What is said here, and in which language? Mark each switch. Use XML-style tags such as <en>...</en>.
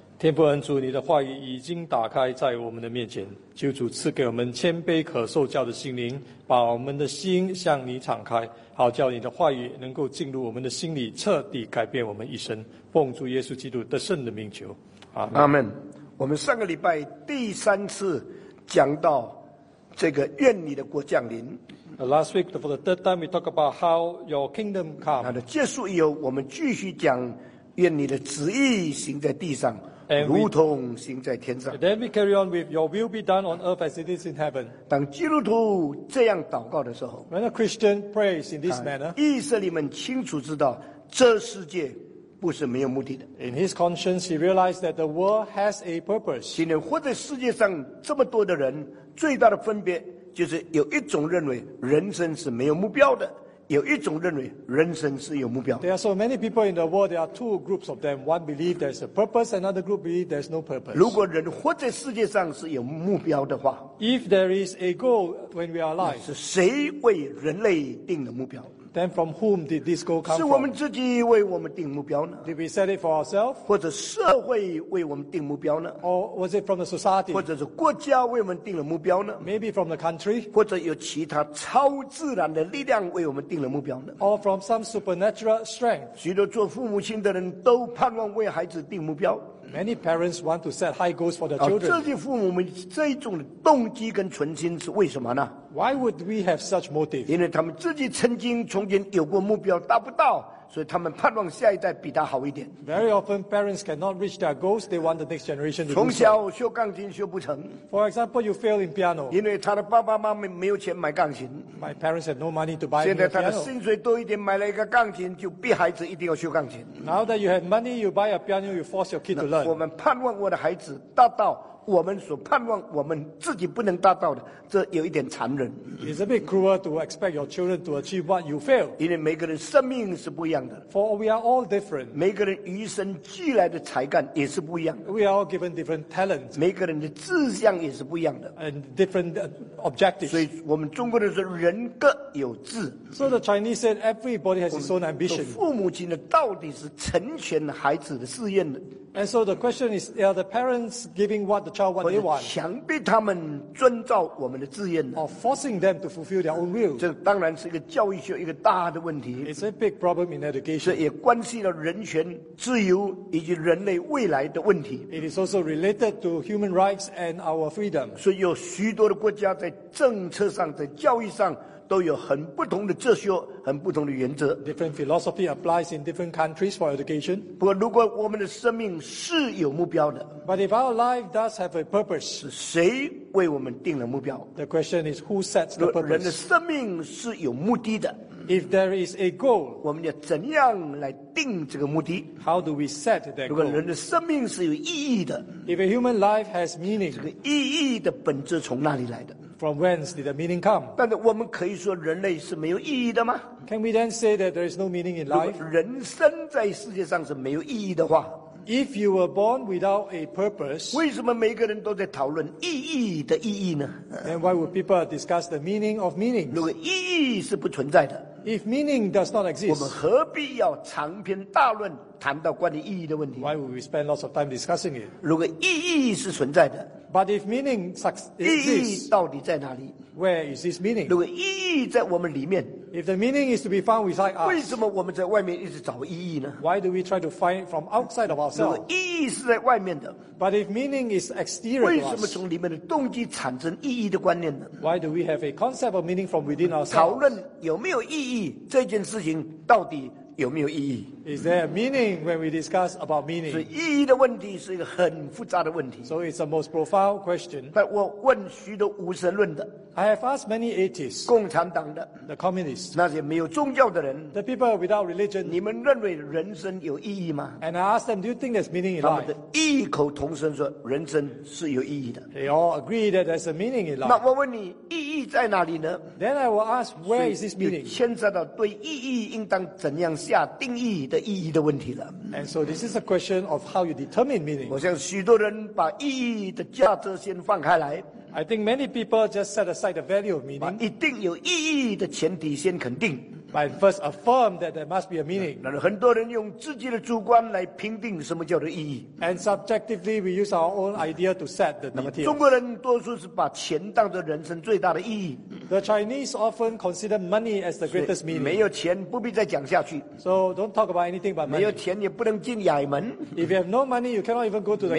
<zh>天父恩主，你的话语已经打开在我们的面前，求主赐给我们谦卑可受教的心灵，把我们的心向你敞开，好叫你的话语能够进入我们的心里，彻底改变我们一生。奉主耶稣基督得胜的名求，阿们。我们上个礼拜第三次讲到这个愿你的国降临。</zh> <en>Last week, for the third time, we talk about how your kingdom come.</en> <zh>那结束以后，我们继续讲愿你的旨意行在地上，</zh> <en>and</en> <zh>如同行在天上。</zh> <en>Then we carry on with your will be done on earth as it is in heaven.</en> <zh>当基督徒这样祷告的时候</zh> <en>，When a Christian prays in this manner,</en> <zh>以色列们清楚知道这世界不是没有目的的。</zh> <en>In his conscience, he realized that the world has a purpose.</en> <zh>今天活在世界上这么多的人，最大的分别就是有一种认为人生是没有目标的，有一种认为人生是有目标的。</zh> <en>There are so many people in the world. There are two groups of them. One believe there's a purpose, another group believe there's no purpose.</en> <zh>如果人活在世界上是有目标的话</zh> <en>，If there is a goal when we are alive，</en> <zh>是谁为人类定的目标？</zh> <en>Then from whom did this goal come from?</en> <zh>是我们自己为我们定目标呢？</zh> <en>Did we set it for ourselves?</en> <zh>或者社会为我们定目标呢？</zh> <en>Or was it from the society?</en> <zh>或者是国家为我们定了目标呢？</zh> <en>Maybe from the country?</en> <zh>或者有其他超自然的力量为我们定了目标呢？</zh> <en>Or from some supernatural strength?</en> <zh>许多做父母亲的人都盼望为孩子定目标。</zh> <en>Many parents want to set high goals for the children.</en> <zh>这些父母们这种动机跟存心是为什么呢？</zh> <en>Why would we have such motive?</en> <zh>因为他们自己曾经从前有过目标达不到，所以他们盼望下一代比他好一点。</zh> <en>Very often, parents cannot reach their goals. They want the next generation to do</en> <zh>so. 从小学钢琴学不成。</zh> <en>For example, you fail in piano.</en> <zh>因为他的爸爸妈妈没有钱买钢琴。</zh> <en>My parents have no money to buy a piano.</en> <zh>现在他的薪水多一点，买了一个钢琴，就逼孩子一定要学钢琴。</zh> <en>Now that you have money, you buy a piano, you force your kid to learn.</en> <zh>我们盼望我的孩子达到我们所盼望我们自己不能达到的，这有一点残忍。</zh> <en>It's a bit cruel to expect your children to achieve what you fail.</en> <zh>因为每个人生命是不一样的。</zh> <en>For we are all different.</en> <zh>每个人与生俱来的才干也是不一样的。</zh> <en>We are all given different talents.</en> <zh>每个人的志向也是不一样的。</zh> <en>And different objectives.</en> <zh>所以我们中国人说人各有志。</zh> <en>So the Chinese said everybody has his own ambition.</en> <zh>父母亲的到底是成全孩子的事业的。</zh> <en>And so the question is, are the parents giving what the child what they want.</en> <zh>强逼他们遵照我们的志愿。</zh> <en>Or forcing them to fulfill their own will.</en> <zh>这当然是一个教育学一个大的问题。</zh> <en>It's a big problem in education.</en> <zh>这也关系到人权、自由以及人类未来的问题。</zh> <en>It is also related to human rights and our freedom.</en> <zh>所以有许多的国家在政策上、在教育上。都有很不同的哲学，很不同的原则。</zh> <en>Different philosophy applies in different countries for education.</en> <zh>不过，如果我们的生命是有目标的</zh> <en>，But if our life does have a purpose，</en> <zh>是谁为我们定了目标</zh> <en>？The question is who sets the purpose？</en> <zh>人的生命是有目的的。</zh> <en>If there is a goal，</en> <zh>我们要怎样来定这个目的</zh> <en>？How do we set that goal？</en> <zh>如果人的生命是有意义的</zh> <en>，If a human life has meaning，</en> <zh>这个意义的本质从哪里来的？</zh> <en>From whence did the meaning come?</en> <zh>但是我们可以说人类是没有意义的吗？</zh> <en>Can we then say that there is no meaning in life?</en> <zh>如果人生在世界上是没有意义的话，</zh> <en>If you were born without a purpose,</en> <zh>为什么每个人都在讨论意义的意义呢？</zh> <en>Then why would people discuss the meaning of meaning?</en> <zh>如果意义是不存在的，</zh> <en>If meaning does not exist,</en> <zh>我们何必要长篇大论谈到关于意义的问题？</zh> <en>Why would we spend lots of time discussing it?</en> <zh>如果意义是存在的，</zh> <en>But if meaning exists,</en> <zh>意义到底在哪里？</zh> <en>Where is this meaning?</en> <zh>如果意义在我们里面，</zh> <en>if the meaning is to be found inside us,</en> <zh>为什么我们在外面一直找意义呢？</zh> <en>Why do we try to find from outside of ourselves?</en> <zh>如果意义是在外面的，</zh> <en>But if meaning is exterior to us,</en> <zh>为什么从里面的动机产生意义的观念呢？</zh> <en>Why do we have a concept of meaning from within ourselves?</en> <zh>讨论有没有意义，这件事情到底有没有意义？</zh> <en>Is there a meaning when we discuss about meaning?</en> <zh>所以意义的问题是一个很复杂的问题。</zh> <en>So it's a most profound question.</en> <zh>但我问许多无神论的。</zh> <en>I have asked many atheists.</en> <zh>共产党的。</zh> <en>The communists.</en> <zh>那些没有宗教的人。</zh> <en>The people without religion.</en> <zh>你们认为人生有意义吗？</zh> <en>And I asked them, do you think there's meaning in life?</en> <zh>他们的异口同声说人生是有意义的。</zh> <en>They all agree that there's a meaning in life.</en> <zh>那我问你意义在哪里呢？</zh> <en>Then I will ask, where is this meaning?</en> <zh>牵涉到对意义应当怎样下定义的意义的问题了。</zh> <en>And so this is a question of how you determine meaning.</en> <zh>我想许多人把意义的价值先放开来。</zh> <en>I think many people just set aside the value of meaning.</en> <zh>把一定有意义的前提先肯定。</zh> <en>By first affirm that there must be a meaning.</en> <zh>那很多人用自己的主观来评定什么叫做意义。</zh> <en>And subjectively we use our own idea to set the meaning.</en> <zh>中国人多数是把钱当作人生最大的意义。</zh> <en>The Chinese often consider money as the greatest meaning.</en> <zh>没有钱不必再讲下去。</zh> <en>So don't talk about anything but money.</en> <zh>没有钱也不能进衙门。</zh> <en>If you have no money, you cannot even go to the government.</en>